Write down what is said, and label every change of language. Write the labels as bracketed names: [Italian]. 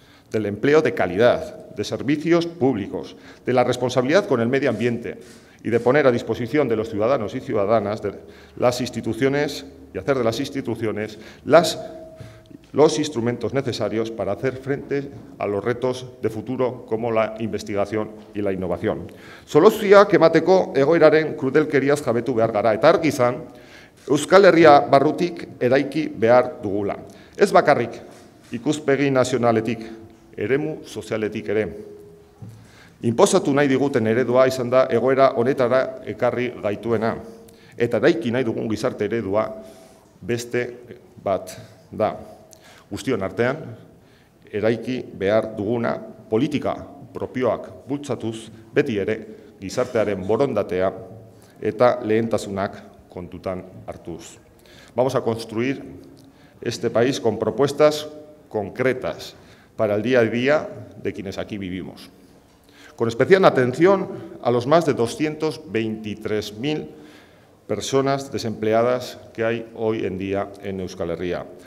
[Spanish] del empleo de calidad, de servicios públicos, de la responsabilidad con el medio ambiente y de poner a disposición de los ciudadanos y ciudadanas de las instituciones y hacer de las instituciones los instrumentos necesarios para hacer frente a los retos de futuro como la investigación y la innovación. [Basque] Soluzioak emateko egoeraren krudelkeriaz jabetu behar gara eta argi izan Euskal Herria barrutik eraiki behar dugula. Ez bakarrik ikuspegi nazionaletik, eremu sozialetik ere. Inposatu nahi diguten eredua izan da egoera honetara ekarri gaituena. Eta eraiki nahi dugun gizarte eredua beste bat da. Guztion artean, eraiki behar duguna politika propioak bultzatuz beti ere gizartearen borondatea eta lehentasunak kontutan hartuz. [Spanish] Vamos a construir este país con propuestas concretas para el día a día de quienes aquí vivimos. Con especial atención a los más de 223.000 personas desempleadas que hay hoy en día en Euskal Herria.